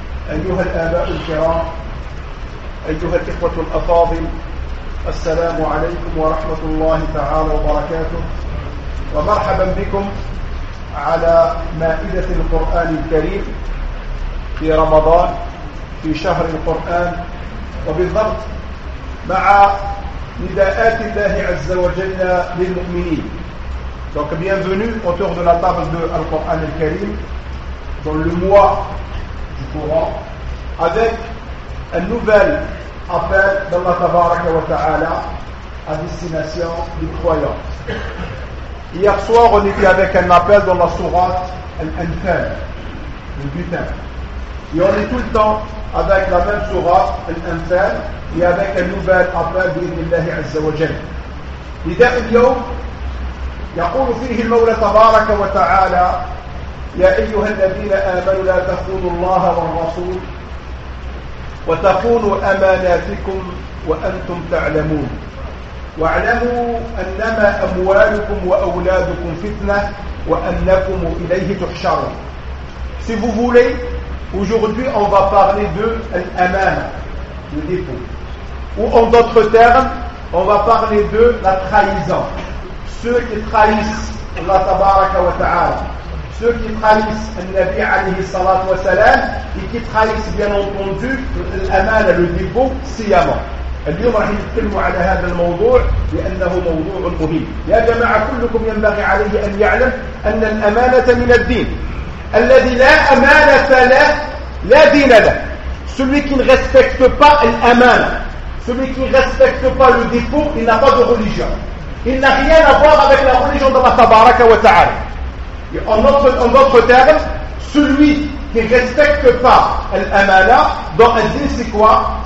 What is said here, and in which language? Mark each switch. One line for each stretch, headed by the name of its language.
Arabic: أيها الآباء الكرام، أيها الإخوة الأفاضل، السلام عليكم ورحمة الله تعالى وبركاته، ومرحبا بكم على مائدة القرآن الكريم في رمضان، في شهر القرآن، وبالضبط مع نداءات الله عز وجل للمؤمنين.
French: Donc bienvenue autour de la table de Al-Qur'an al-Karim dans le mois du Coran, avec un nouvel appel d'Allah Tabaraka wa Ta'ala à destination des croyants. Hier soir, on était avec un appel dans la sourate Al-Anfal, le butin. Et on est tout le temps avec la même sourate Al-Anfal et avec un nouvel appel d'Ibnillah Azza wa Jal. L'idée de l'yom,
Arabic: يقول فيه المولى تبارك وتعالى: يا أيها الذين آمنوا لا تخونوا الله والرسول وتخونوا أماناتكم وأنتم تعلمون، واعلموا أنما أموالكم وأولادكم فتنة وأنكم إليه تحشرون.
French: Si vous voulez, aujourd'hui on va parler de l'amana, le dépôt. Ou en d'autres termes, on va parler de la trahison. Ceux qui trahissent Allah Tabaraka wa Ta'ala, ceux qui trahissent Al-Nabi alayhi salatu wa salam, et qui trahissent bien entendu l'amal, le dépôt, sciemment.
Arabic: اليوم راح نتكلموا على هذا الموضوع لأنه موضوع مهم. يا جماعة كلكم ينبغي عليه أن يعلم أن الأمانة من الدين. الذي لا أمانة له لا دين له.
French: Celui qui ne respecte pas l'amana, celui qui ne respecte pas le dépôt, il n'a pas de religion. Il n'a rien à voir avec la religion d'Allah Tabaraka wa Ta'ala. En d'autres termes, celui qui ne respecte pas l'amana dans un dîn, c'est quoi?